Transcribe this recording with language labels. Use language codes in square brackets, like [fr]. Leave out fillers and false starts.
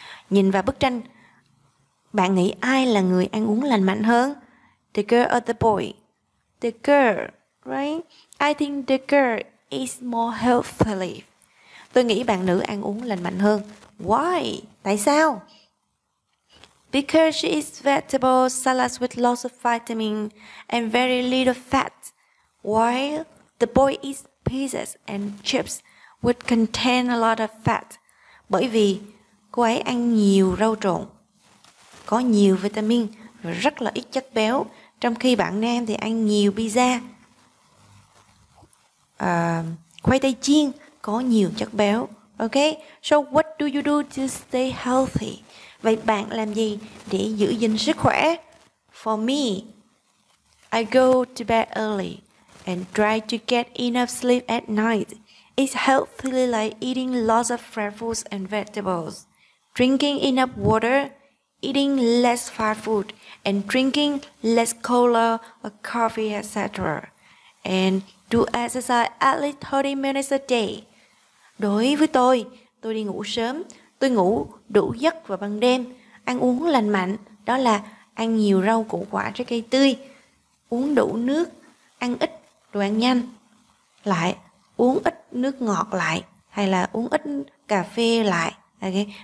[vi] Nhìn vào bức tranh, bạn nghĩ ai là người ăn uống lành mạnh hơn? [en] The girl or the boy? The girl, right? I think the girl is more healthy. [vi] Tôi nghĩ bạn nữ ăn uống lành mạnh hơn. [en] Why? [vi] Tại sao? [en] Because she eats vegetable salads with lots of vitamin and very little fat. While the boy eats pizzas and chips which contain a lot of fat. [vi] Bởi vì cô ấy ăn nhiều rau trộn, có nhiều vitamin và rất là ít chất béo. Trong khi bạn nam thì ăn nhiều pizza, khoai tây chiên, có nhiều chất béo. [en] Ok, so what do you do to stay healthy? [vi] Vậy bạn làm gì để giữ gìn sức khỏe? [en] For me, I go to bed early and try to get enough sleep at night. It's healthily like eating lots of fresh foods and vegetables, drinking enough water, eating less fast food, and drinking less cola or coffee, etc. And do exercise at least 30 minutes a day. [vi] Đối với tôi đi ngủ sớm, tôi ngủ đủ giấc vào ban đêm, ăn uống lành mạnh, đó là ăn nhiều rau củ quả trái cây tươi, uống đủ nước, ăn ít đồ ăn nhanh, lại uống ít nước ngọt lại, hay là uống ít cà phê lại. Okay.